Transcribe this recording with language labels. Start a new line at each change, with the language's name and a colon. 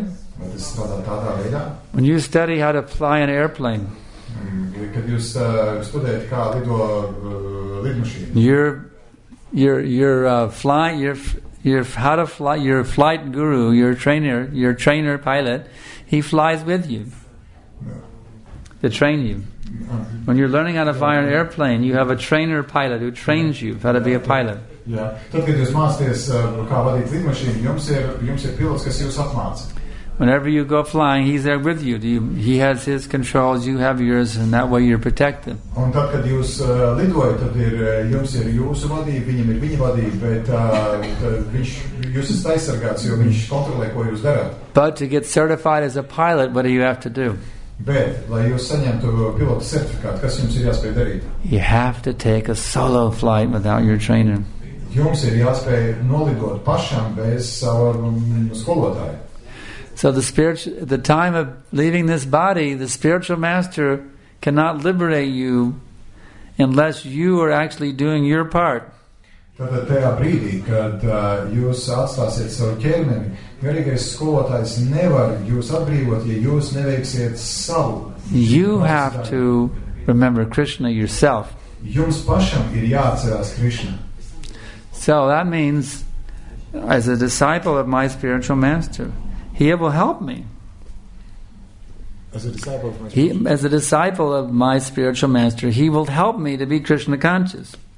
English: When you study how to fly an airplane, your flight guru, your trainer pilot, he flies with you to train you. When you're learning how to fly an airplane, you have a trainer pilot who trains you how to be a pilot.
Latvian: Tad, kad jūs māsties kā vadīt lidmašīnu, jums ir pilots, kas jūs apmāca.
English: Whenever you go flying, he's there with you. He has his controls, you have yours, and that way you're protected.
Latvian: Un tad, kad jūs lidojat, tad jums ir jūsu vadība, viņam ir viņa vadība, bet jūs esat aizsargāts, jo viņš kontrolē, ko jūs darāt.
English: But to get certified as a pilot, what do you have to do?
Latvian: Bet, lai jūs saņemtu pilota certifikātu, kas jums ir jāspēj darīt?
English: You have to take a solo flight without your trainer.
Latvian: Jums ir jāspēj nolidot pašam bez sava skolotāja.
English: So the time of leaving this body, the spiritual master cannot liberate you unless you are actually doing your part.
Latvian: Tātad tajā brīdī, kad jūs atstāsiet savu ķermeni, garīgais skolotājs nevar jūs atbrīvot, ja jūs neveiksiet savu.
English: You have to remember Krishna yourself.
Latvian: Jums pašam ir jāatcerās Krishna.
English: So that means, as a disciple of my spiritual master, he will help me. As a disciple of my spiritual master, he will help me to be Krishna conscious.